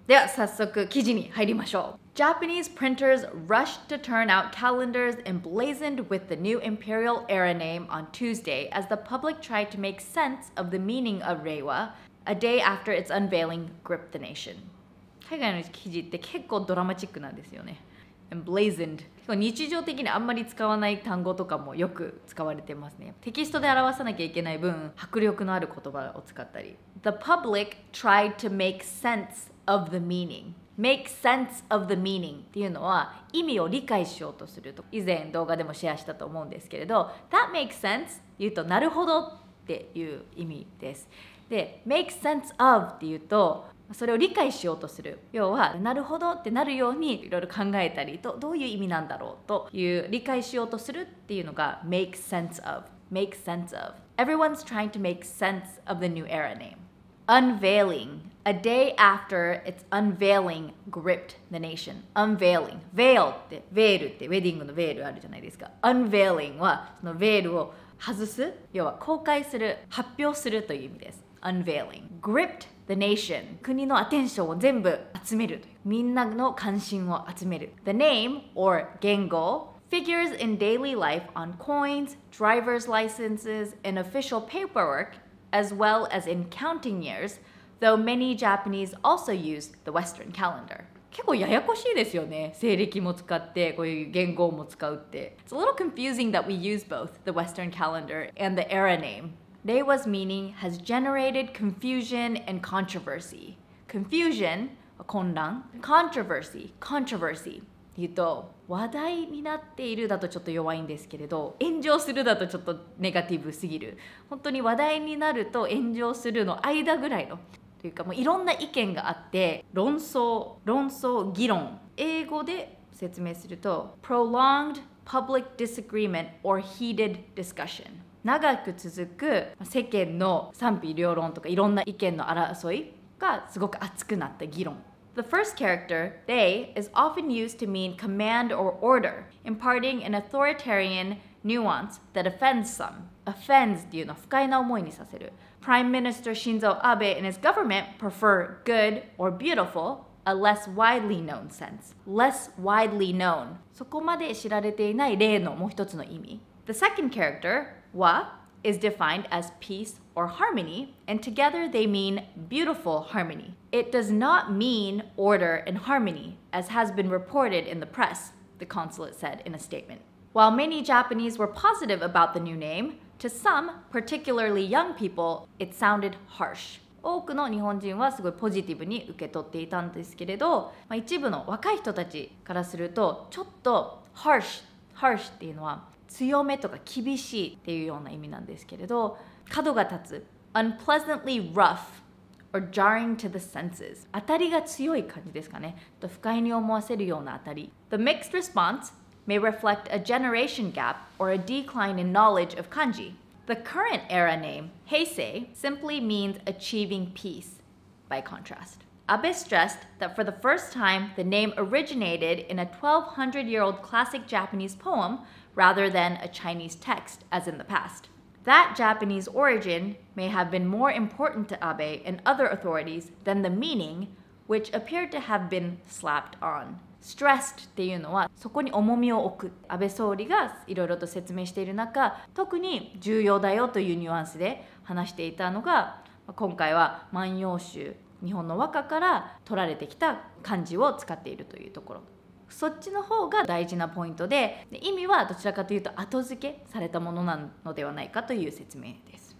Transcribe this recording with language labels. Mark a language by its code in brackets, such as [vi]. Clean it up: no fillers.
[ja] では早速記事に入りましょう。 [en] Japanese printers rushed to turn out calendars emblazoned with the new imperial era name on Tuesday as the public tried to make sense of the meaning of Reiwa, a day after its unveiling gripped the nation. [ja] 海外の記事って結構ドラマチックなんですよね。 [en] Emblazoned。 [ja] 日常的にあんまり使わない単語とかもよく使われてますね。テキストで表さなきゃいけない分、迫力のある言葉を使ったり。 [en] The public tried to make sense of the meaning. Make sense of the meaning [ja] っていうのは意味を理解しようとすると、以前動画でもシェアしたと思うんですけれど、 [en] That makes sense [ja] 言うとなるほどっていう意味です。で、 [en] Make sense of [ja] っていうとそれを理解しようとする、要はなるほどってなるようにいろいろ考えたりと、どういう意味なんだろうという理解しようとするっていうのが Make sense of。Make sense of。 [en] Everyone's trying to make sense of the new era name。 Unveiling, a day after its unveiling gripped the nation. [ja] Unveiling, veil って、ベールって、ウェディングのベールあるじゃないですか。 Unveiling は、そのベールを外す、要は公開する、発表するという意味です。Unveiling. [en] Gripped the nation. [ja] 国のアテンションを全部集めるという。みんなの関心を集める。 [en] The name, or 言語、figures in daily life on coins, driver's licenses, and official paperwork,as well as in counting years, though many Japanese also use the Western calendar. [ja] 結構ややこしいですよね。西暦も使って、こういう言語も使うって。 [en] It's a little confusing that we use both the Western calendar and the era name. Reiwa's meaning has generated confusion and controversy. Confusion, [ja] 混乱。 [en] Controversy, controversy. [ja] 言うと話題になっているだとちょっと弱いんですけれど、炎上するだとちょっとネガティブすぎる。本当に話題になると炎上するの間ぐらいのというか、もういろんな意見があって論争、論争、議論。英語で説明すると [en] Prolonged public disagreement or heated discussion。 [ja] 長く続く世間の賛否両論とかいろんな意見の争いがすごく熱くなった議論。 [en] The first character, they, is often used to mean command or order, imparting an authoritarian nuance that offends some. [ja] Offends っていうのは不快な思いにさせる。 [en] Prime Minister Shinzo Abe and his government prefer good or beautiful, a less widely known sense. Less widely known. [ja] そこまで知られていない例のもう一つの意味。 [en] The second character, wa, is defined as peace or harmony, and together they mean beautiful harmony. It does not mean order and harmony, as has been reported in the press, the consulate said in a statement. While many Japanese were positive about the new name, to some, particularly young people, it sounded harsh. [ja] 多くの日本人はすごいポジティブに受け取っていたんですけれど、まあ、一部の若い人たちからすると、ちょっと harsh、harsh っていうのは強めとか厳しいっていうような意味なんですけれど、角が立つ。 [en] Unpleasantly rough. Or jarring to the senses. [ja] 当たりが強い感じですかね。と不快に思わせるような当たり。 [en] The mixed response may reflect a generation gap or a decline in knowledge of kanji. The current era name, Heisei, simply means achieving peace, by contrast. Abe stressed that for the first time, the name originated in a 1200-year-old classic Japanese poem rather than a Chinese text, as in the past. That Japanese origin may have been more important to Abe and other authorities than the meaning, which appeared to have been slapped on. [ja] Stressed っていうのはそこに重みを置く安倍総理がいろいろと説明している中特に重要だよというニュアンスで話していたのが今回は万葉集日本の和歌から取られてきた漢字を使っているというところそっちの方が大事なポイント で意味はどちらかというと後付けされたものなのではないかという説明です